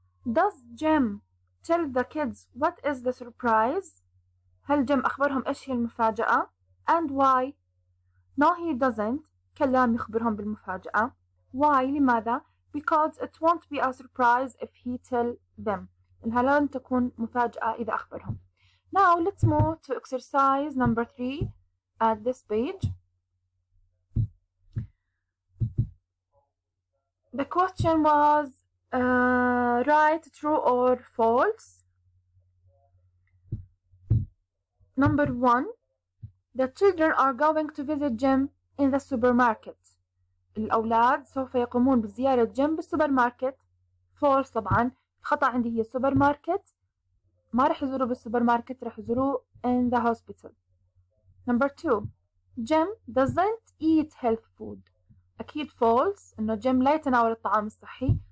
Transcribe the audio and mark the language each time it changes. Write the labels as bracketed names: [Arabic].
[English] Does Jim tell the kids what is the surprise؟ [Arabic] هل جيم أخبرهم إيش هي المفاجأة؟ [English] And why؟ No he doesn't. [Arabic] كلام يخبرهم بالمفاجأة. [English] Why؟ [Arabic] لماذا؟ [English] Because it won't be a surprise if he tell them. [Arabic] إنها لن تكون مفاجأة إذا أخبرهم. [English] Now let's move to exercise number 3 at this page. The question was write true or false. Number 1, the children are going to visit Jim in the supermarket. [Arabic] الأولاد سوف يقومون بزيارة جيم بالسوبرماركت. False طبعا. الخطأ عندي هي supermarket. ما رح يزوروا بالسوبر ماركت, رح يزوروا [English] in the hospital. Number 2, Jim doesn't eat health food. [Arabic] أكيد false إنه Jim لا يتناول الطعام الصحي.